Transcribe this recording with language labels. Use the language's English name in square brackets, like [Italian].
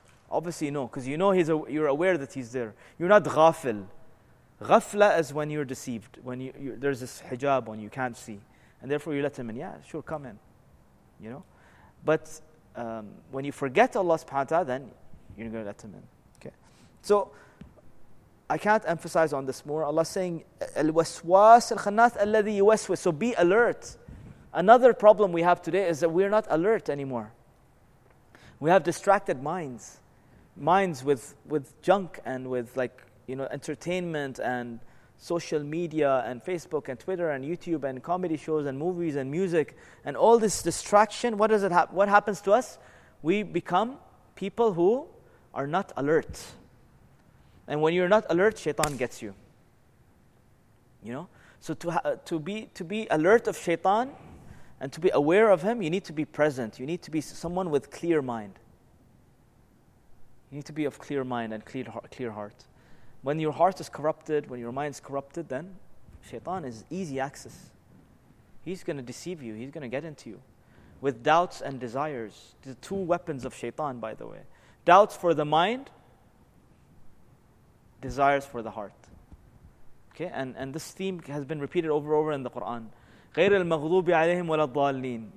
[English] Obviously no, because you know you're aware that he's there. You're not ghafil. Ghafla is when you're deceived, when there's this hijab when you can't see. And therefore you let him in. Yeah, sure, come in. You know? But when you forget Allah subhanahu wa ta'ala, then you're going to let him in. Okay. So, I can't emphasize on this more. [Arabic] Allah's saying, الوسواس الخناث الذي يوسوس. [English] So be alert. Another problem we have today is that we're not alert anymore. We have distracted minds. Minds with junk and with like, you know, entertainment and social media and Facebook and Twitter and YouTube and comedy shows and movies and music and all this distraction. What happens to us? We become people who are not alert. And when you're not alert, shaitan gets you. You know? So to be alert of shaitan, and to be aware of him, you need to be present. You need to be someone with clear mind. You need to be of clear mind and clear heart. When your heart is corrupted, when your mind is corrupted, then shaitan is easy access. He's going to deceive you. He's going to get into you with doubts and desires. The two weapons of shaitan, by the way. Doubts for the mind, desires for the heart. Okay, and this theme has been repeated over and over in the Quran. [Arabic] غير المغضوب عليهم ولا الضالين.